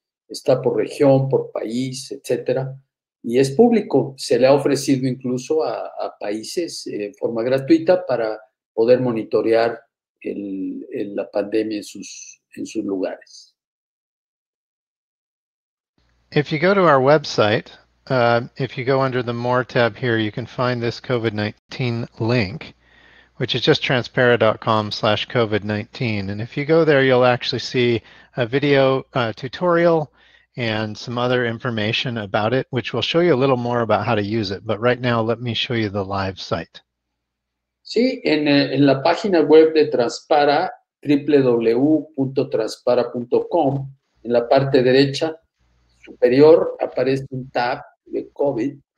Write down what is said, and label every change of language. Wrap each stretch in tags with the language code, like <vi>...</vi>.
<es>Está por región, por país, etcétera, y es público. Se le ha ofrecido incluso a países en forma gratuita para poder monitorear la pandemia en sus lugares.</es> <en>If you go to our website, if you go under the More tab here, you can find this COVID-19 link, which is just transpara.com/COVID-19. And if you go there, you'll actually see a video tutorial and some other information about it, which will show you a little more about how to use it. But right now, let me show you the live site.</en> <es>Sí, en la página web de Transpara, www.transpara.com, en la parte derecha superior aparece un tab de COVID,</es>